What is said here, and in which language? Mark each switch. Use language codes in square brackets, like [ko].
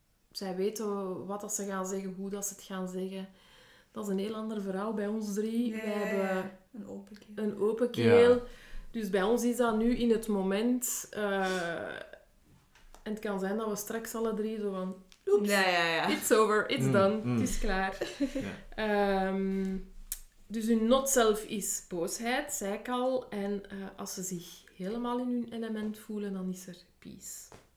[nl] Zij weten wat dat ze gaan zeggen, hoe dat ze het gaan zeggen. Dat is een heel ander verhaal bij ons drie. Nee, wij hebben een open keel. Ja. Dus bij ons is dat nu in het moment. En het kan zijn dat we straks alle drie zo van... Oeps, [en] it's over, it's done, [nl] het is klaar. Ja. Dus hun not self is boosheid, zei ik al. En als ze zich helemaal in hun element voelen, dan is er peace.